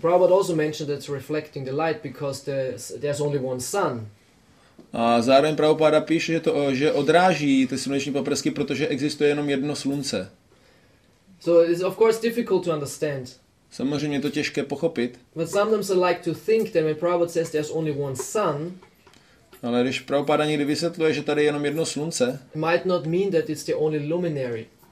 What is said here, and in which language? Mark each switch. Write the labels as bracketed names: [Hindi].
[English] Prabhupada also mentioned it's reflecting the light because there's only one sun. [Czech] A zároveň Prabhupada píše, že to, že odráží ty sluneční paprsky, protože existuje jenom jedno slunce. [English] So it's of course difficult to understand. [Czech] Samozřejmě je to těžké pochopit. [English] But sometimes I like to think that when Prabhupada says there's only one sun. [Czech] Ale když Prabhupada někdy vysvětluje, že tady je jenom jedno slunce. [English] Might not mean that it's the only luminary.